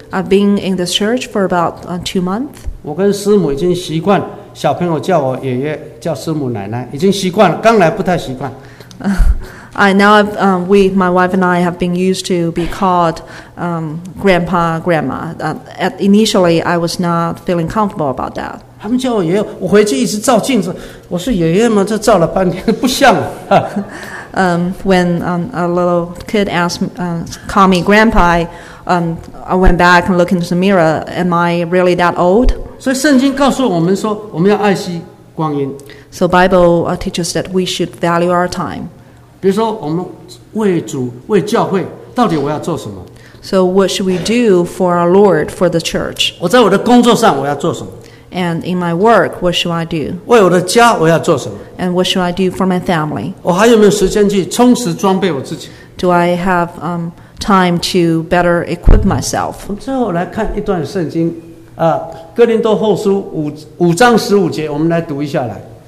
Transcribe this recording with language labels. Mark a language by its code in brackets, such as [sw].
[en] I've been in this church for about 2 months. [zh] 我跟师母已经习惯，小朋友叫我爷爷，叫师母奶奶，已经习惯了。刚来不太习惯。 [en] My wife and I have been used to be called grandpa, grandma. Initially, I was not feeling comfortable about that. [zh] 他们叫我爷爷，我回去一直照镜子，我说爷爷吗？这照了半天不像。 [en] When a little kid called me grandpa, I went back and looked into the mirror. Am I really that old? [zh] 所以圣经告诉我们说，我们要爱惜光阴。 [en] So Bible teaches that we should value our time. [zh] 比如说，我们为主、为教会，到底我要做什么 [en] ？So what should we do for our Lord, for the church? [zh] 我在我的工作上，我要做什么？ [en] And in my work, what should I do? [zh] 为我的家，我要做什么 [en] ？And what should I do for my family? [zh] 我还有没有时间去充实装备我自己 [en] ？Do I have time to better equip myself? [zh] 最后来看一段圣经，哥林多后书5:15，我们来读一下来。